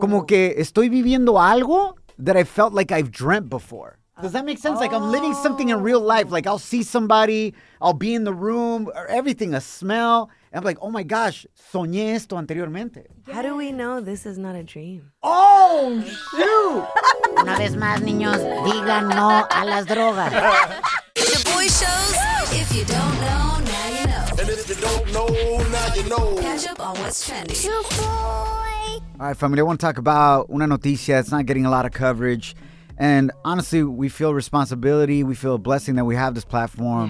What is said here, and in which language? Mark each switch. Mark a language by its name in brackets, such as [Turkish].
[Spanish] Como que estoy viviendo algo [English] that I felt like I've dreamt before. Does that make sense? Oh. Like, I'm living something in real life. Like, I'll see somebody, I'll be in the room, or everything, a smell. And I'm like, oh my gosh, [Spanish] soñé esto anteriormente. [English] Yes. How do we know this is not a dream? Oh, shoot! [Spanish] Una vez más, niños, digan no a las drogas. [English] The boy shows, if you don't know, now you know. And if you don't know, now you know. Catch up on what's trending. You boy! All right, family, I want to talk about [Spanish] una noticia. [English] It's not getting a lot of coverage. And honestly, we feel responsibility. We feel a blessing that we have this platform.